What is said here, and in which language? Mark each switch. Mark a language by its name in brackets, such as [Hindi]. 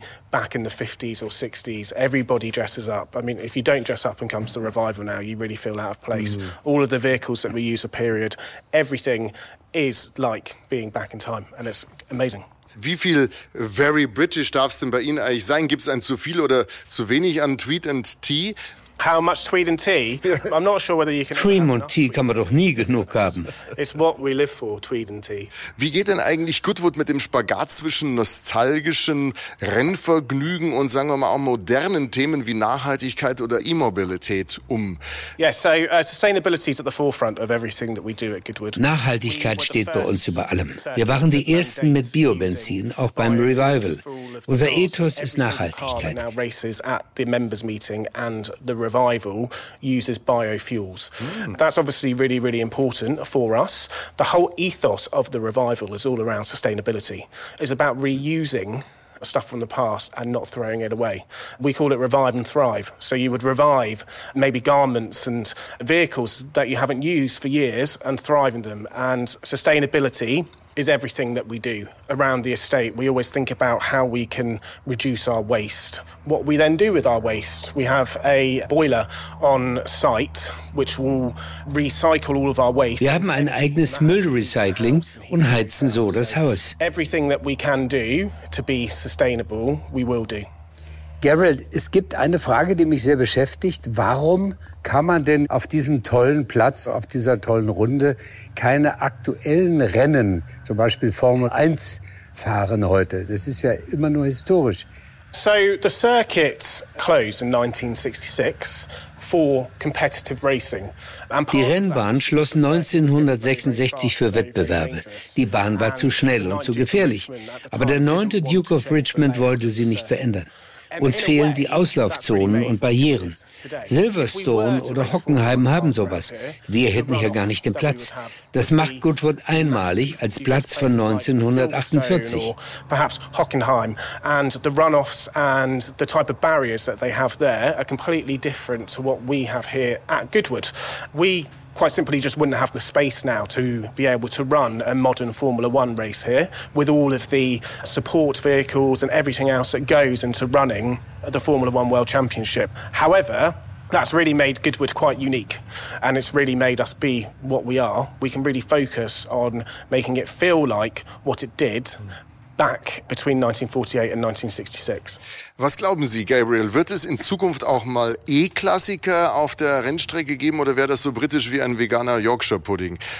[English] Back in the 50s or 60s, everybody dresses up. I mean, if you don't dress up and come to the revival now, you really feel out of place. All of the vehicles that we use a period, everything is like being back in time, and it's amazing. [German] Wie viel [English] very British [German] darf es denn bei Ihnen eigentlich sein? Gibt es ein zu viel oder zu wenig an [English] Tweed and Tea? How much Tweed and Tea? I'm not sure whether you can. [German] Cream und Tee kann man doch nie genug haben. [English] It's what we live for, Tweed and Tea. [German] Wie geht denn eigentlich Goodwood mit dem Spagat zwischen nostalgischen Rennvergnügen und sagen wir mal auch modernen Themen wie Nachhaltigkeit oder E-Mobilität um? [English] Yes, so sustainability is at the forefront of everything that we do at Goodwood. [German] Nachhaltigkeit steht bei uns über allem. Wir waren die ersten mit Biobenzin, auch beim Revival. Unser Ethos ist Nachhaltigkeit. [English] Now races at the members meeting and the Revival uses biofuels. That's obviously really, really important for us. The whole ethos of the Revival is all around sustainability. It's about reusing stuff from the past and not throwing it away. We call it revive and thrive. So you would revive maybe garments and vehicles that you haven't used for years and thrive in them. And sustainability is everything that we do around the estate. We always think about how we can reduce our waste. What we then do with our waste, we have a boiler on site, which will recycle all of our waste. [German] Wir haben ein eigenes Müllrecycling und heizen so das Haus. [English] Everything that we can do to be sustainable, we will do. [German] Gerald, es gibt eine Frage, die mich sehr beschäftigt. Warum kann man denn auf diesem tollen Platz, auf dieser tollen Runde, keine aktuellen Rennen, zum Beispiel Formel 1, fahren heute? Das ist ja immer nur historisch. [English] So the circuit closed in 1966 for competitive racing. [German] Die Rennbahn schloss 1966 für Wettbewerbe. Die Bahn war zu schnell und zu gefährlich. Aber der 9. Duke of Richmond wollte sie nicht verändern. Uns fehlen die Auslaufzonen und Barrieren. Silverstone oder Hockenheim haben sowas. Wir hätten hier gar nicht den Platz. Das macht Goodwood einmalig als Platz von 1948. [English] Perhaps Hockenheim and the runoffs and the type of barriers that they have there are completely different to what we have here at Goodwood. We quite simply just wouldn't have the space now to be able to run a modern Formula One race here with all of the support vehicles and everything else that goes into running the Formula One World Championship. However, that's really made Goodwood quite unique and it's really made us be what we are. We can really focus on making it feel like what it did back between 1948 and 1966. [German] Was glauben Sie, Gabriel, wird es in Zukunft auch mal E-Klassiker auf der Rennstrecke geben oder wäre das so britisch wie ein veganer Yorkshire-Pudding?